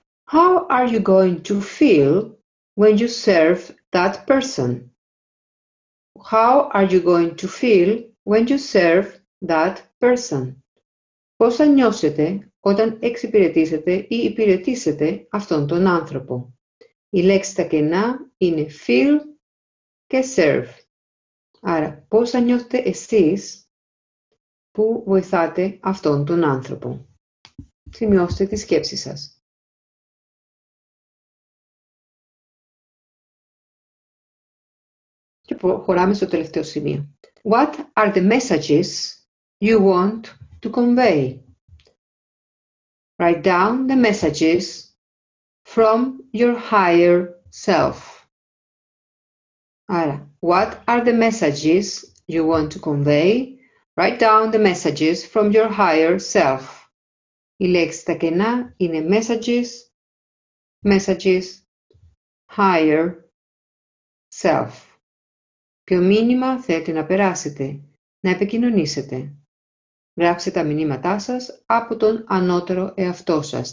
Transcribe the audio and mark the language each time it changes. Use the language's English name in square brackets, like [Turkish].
[English] How are you going to feel when you serve that person? how are you going to feel when you serve that person? [Greek] Πώς θα νιώσετε όταν εξυπηρετήσετε ή υπηρετήσετε αυτόν τον άνθρωπο? Οι λέξεις τα κενά είναι feel και serve. Άρα, πώς θα νιώθετε εσείς που βοηθάτε αυτόν τον άνθρωπο? Σημειώστε τη σκέψη σας. Και προχωράμε στο τελευταίο σημείο. [English] What are the messages you want to convey? Write down the messages from your higher self. [Greek] Άρα, [English] what are the messages you want to convey? Write down the messages from your higher self. [Greek] Οι λέξεις τα κενά είναι messages, higher self. Ποιο μήνυμα θέλετε να περάσετε, να επικοινωνήσετε? Γράψτε τα μηνύματά σας από τον ανώτερο εαυτό σας.